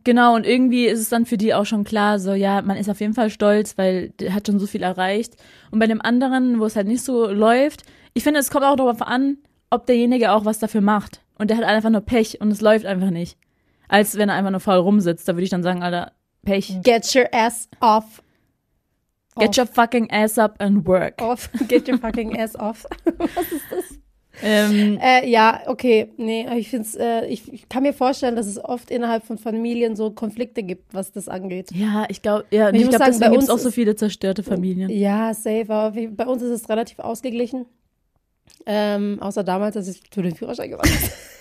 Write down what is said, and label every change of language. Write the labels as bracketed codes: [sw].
[de] Genau, und irgendwie ist es dann für die auch schon klar, so ja, man ist auf jeden Fall stolz, weil der hat schon so viel erreicht. Und bei dem anderen, wo es halt nicht so läuft, ich finde, es kommt auch darauf an, ob derjenige auch was dafür macht. Und der hat einfach nur Pech und es läuft einfach nicht. Als wenn er einfach nur faul rumsitzt. Da würde ich dann sagen, Alter, Pech. [en] Get your ass off. Get your fucking ass up and work. Off. Get your fucking ass off. [de] Was ist das? Ja, okay. Nee, ich finde es, ich kann mir vorstellen, dass es oft innerhalb von Familien so Konflikte gibt, was das angeht. Ja, ich glaube, ja, ich glaube, deswegen gibt es auch so viele zerstörte Familien. Ja, safe. Aber bei uns ist es relativ ausgeglichen. Außer damals, als ich zu den Führerschein gewandt habe.